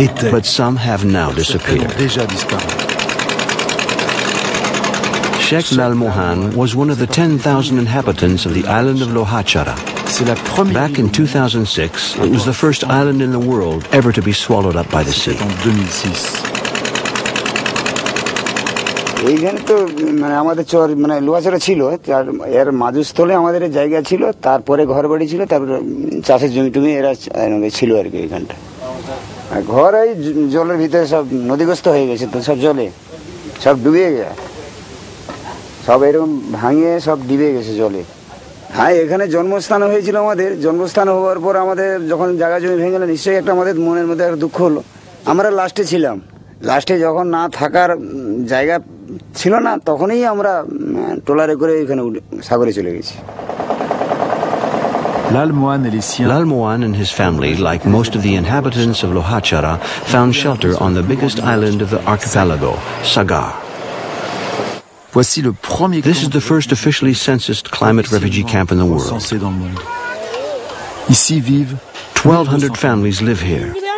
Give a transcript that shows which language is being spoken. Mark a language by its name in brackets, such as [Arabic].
[English] But some have now disappeared. Sheikh Lal Mohan was one of the 10,000 inhabitants of the island of Lohachara. Back in 2006, it was the first island in the world ever to be swallowed up by the sea. [Bangla] এইখানে তো মানে আমাদের চর মানে লোহাচড়া ছিল, এর মাঝস্থলে আমাদের জায়গা ছিল, তারপরে ঘর বাড়ি ছিল, তারপরে চাষের জমি টুমি এরা ছিল আর কি। এইখানটা ঘর এই জলের ভিতরে সব নদীগ্রস্ত হয়ে গেছে, তো সব জলে সব ডুবে গেছে, সব এরকম ভাঙিয়ে সব ডিবে গেছে জলে। হ্যাঁ, এখানে জন্মস্থান হয়েছিল আমাদের। জন্মস্থান হওয়ার পর আমাদের যখন জায়গা জমি ভেঙে গেল, নিশ্চয়ই একটা আমাদের মনের মধ্যে একটা দুঃখ হলো। আমরা লাস্টে ছিলাম, লাস্টে যখন না থাকার জায়গা ছিল না, তখনই আমরা ট্রলারে করে এখানে সাগরে চলে গেছি। [English] Lal Mohan and his family, like most of the inhabitants of Lohachara, found shelter on the biggest island of the archipelago, Sagar. This is the first officially censused climate refugee camp in the world. 1,200 families live here.